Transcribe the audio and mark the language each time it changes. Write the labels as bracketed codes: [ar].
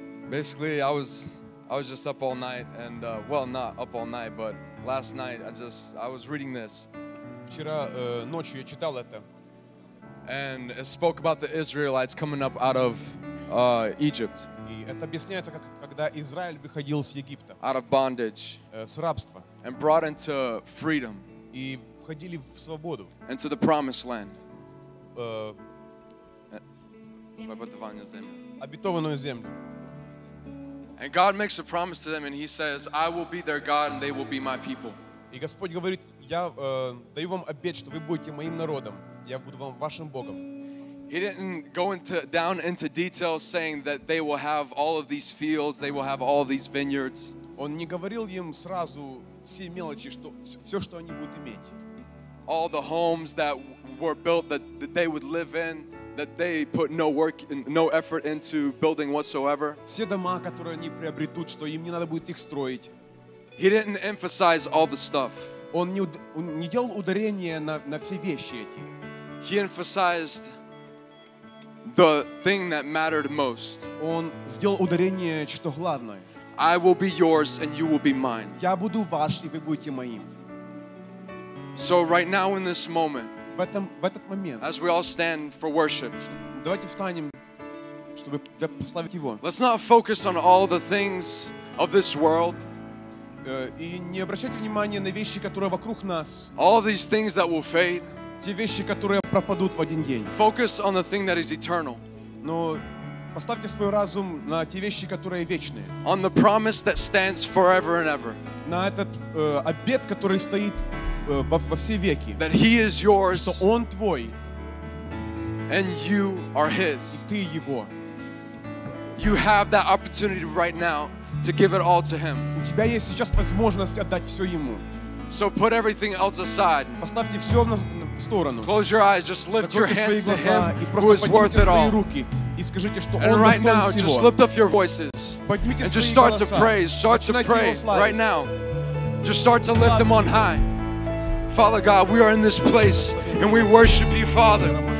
[en] Basically, I was just up all night, and well, not up all night, but last night I was reading this. [ru] Вчера ночью я читал это. [en] And it spoke about the Israelites coming up out of Egypt. [ru] И это объясняется, как когда Израиль выходил с Египта. [en] Out of bondage. [ru] С рабства. [en] And brought into freedom. [ru] И входили в свободу. [en] Into the promised land. [ru] Обетованную землю. [en] And God makes a promise to them, and He says, "I will be their God, and they will be my people." [ru] И Господь говорит, я даю вам обет, что вы будете моим народом, я буду вам вашим Богом. [en] He didn't go down into details, saying that they will have all of these fields, they will have all of these vineyards. [ru] Он не говорил им сразу все мелочи, что все, что они будут иметь. [en] All the homes that were built that they would live in. That they put no work, no effort into building whatsoever. [ru] Все дома, которые они приобретут, что им не надо будет их строить. [en] He didn't emphasize all the stuff. [ru] Он не делал ударение на все вещи эти. [en] He emphasized the thing that mattered most. [ru] Он сделал ударение, что главное. [en] I will be yours and you will be mine. [ru] Я буду ваш, и вы будете моим. [en] So right now in this moment. [ru] В этот момент, [en] as we all stand for worship, [ru] давайте встанем, чтобы прославить Его. [en] Let's not focus on all the things of this world. [ru] И не обращайте внимания на вещи, которые вокруг нас. [en] All these things that will fade. [ru] Те вещи, которые пропадут в один день. [en] Focus on the thing that is eternal. [ru] Но поставьте свой разум на те вещи, которые вечные. [en] On the promise that stands forever and ever. [ru] На этот обет, который стоит. [en] That He is yours, [ru] что Он твой, [en] and you are His. [ru] И ты Его. [en] You have that opportunity right now to give it all to Him. [ru] У тебя есть сейчас возможность отдать все Ему. [en] So put everything else aside. [ru] Поставьте все в сторону. [en] Close your eyes, just lift your hands to Him, who is worth it all. [ru] И скажите, что [en] and right now, just lift up your voices and just start to praise. Start to pray right now. Just start to lift them on high. Father God, we are in this place and we worship you, Father.